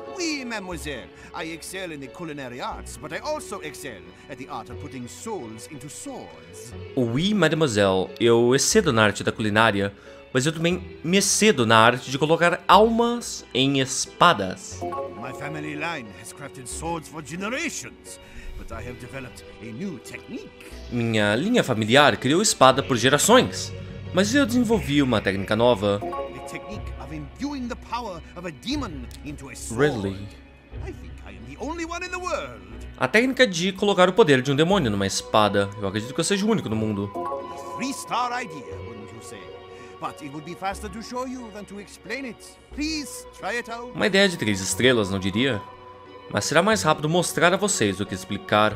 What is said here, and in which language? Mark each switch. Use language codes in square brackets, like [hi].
[fr] Oui, mademoiselle. [en] I excel in the culinary arts, but I also excel at the art of putting souls into swords. [fr] Oui, mademoiselle. [pt] Eu excedo na arte da culinária, mas eu também me excedo na arte de colocar almas em espadas. [en] My family line has crafted swords for generations. But I have developed a new technique. [pt] Minha linha familiar criou espada por gerações, mas eu desenvolvi uma técnica nova. [en] A technique of imbuing the power of a demon into a sword. Really? I think I am the only one in the world. [pt] A técnica de colocar o poder de um demônio numa espada. Eu acredito que eu seja o único no mundo. [en] A 3-star idea, wouldn't you say? But it would be faster to show you than to explain it. Please try it out. [pt] Uma ideia de 3 estrelas, não diria? Mas será mais rápido mostrar a vocês do que explicar.